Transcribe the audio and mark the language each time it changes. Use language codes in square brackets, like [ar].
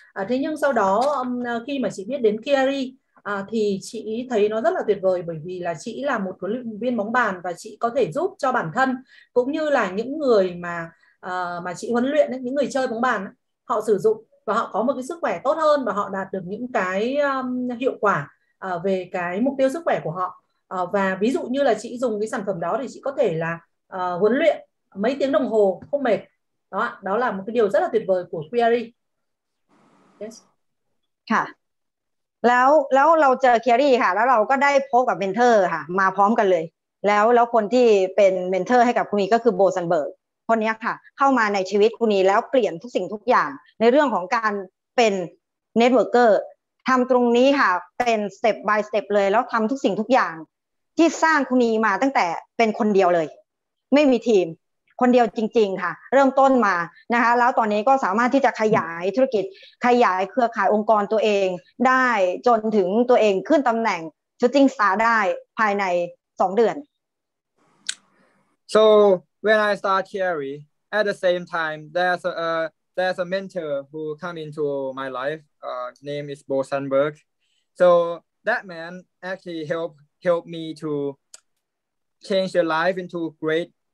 [vi] Thế nhưng sau đó khi mà chị biết đến Kiari thì chị thấy nó rất là tuyệt vời, bởi vì là chị là một huấn luyện viên bóng bàn và chị có thể giúp cho bản thân cũng như là những người mà chị huấn luyện, những người chơi bóng bàn họ sử dụng và họ có một cái sức khỏe tốt hơn và họ đạt được những cái hiệu quả về cái mục tiêu sức khỏe của họ. Và ví dụ như là chị dùng cái sản phẩm đó thì chị có thể là huấn luyện mấy tiếng đồng hồ không mệt. Đó là một cái điều rất là tuyệt vời của Kiari. [en] Yes. Hả. [th] แล้วเราเจอ Kiari ค่ะแล้วเราก็ได้พบกับเมนเทอร์ค่ะมาพร้อมกันเลยแล้วคนที่เป็นเมนเทอร์ให้กับคุณนีก็คือโบซันเบิร์กคนนี้ค่ะเข้ามาในชีวิตคุณนีแล้วเปลี่ยนทุกสิ่งทุกอย่างในเรื่องของการเป็นเน็ตเวิร์กเกอร์ท ทำตรงนี้ค่ะเป็น [en] step by step [th] เลยแล้วทำทุกสิ่งทุกอย่างที่สร้างคุณีมาตั้งแต่เป็นคนเดียวเลยไม่มีทีมคนเดียวจริงๆค่ะเริ่มต้นมานะคะแล้วตอนนี้ก็สามารถที่จะขยายธุรกิจขยายเครือข่ายองค์กรตัวเองได้จนถึงตัวเองขึ้นตำแหน่งชูติ้งสตาร์ได้ภายใน2เดือน [en] So when I start Thierry at the same time there's a mentor who come into my life name is Bo Sandberg So that man actually helped me to change your life into great